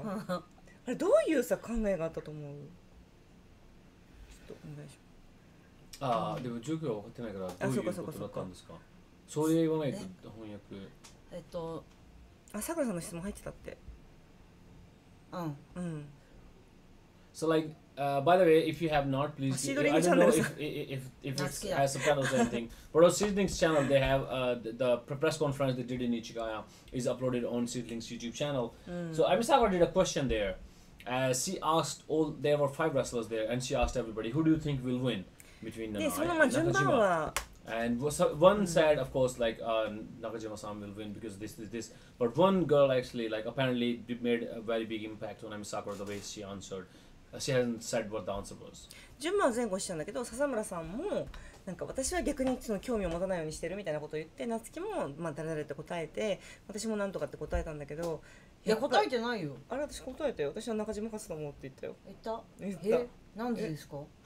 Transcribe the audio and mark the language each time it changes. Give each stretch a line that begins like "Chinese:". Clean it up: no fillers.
Japanese: あれどういうさ考えがあったと思う？ちょっとお願いします。あ、でも状況は分かってないからどういうことだったんですか？そういう言わないと翻訳。あ、さくらさんの質問入ってたって。うん。うん。
English: So like,by the way, if you have not, please. I don't know if it has subtitles or anything. But on Seedlings channel, they have the press conference they did in Ichigaya is uploaded on Seedlings YouTube channel. So Emi Sakura did a question there. She asked all. There were five wrestlers there, and she asked everybody, "Who do you think will win between Nanai and Nakajima?" And one said, of course, like Nakajima-san will win because this. But one girl actually, like, apparently made a very big impact on Emi Sakura the way she answered. She hasn't said what the answer was.
Japanese: 順番は前後しちゃうんだけど、笹村さんもなんか私は逆にその興味を持たないようにしてるみたいなことを言って、夏希もまあ誰々って答えて、私もなんとかって答えたんだけど、いや答えてないよ。あれ私答えたよ。私は中島勝つと思うって言ったよ。言った。なんでですか？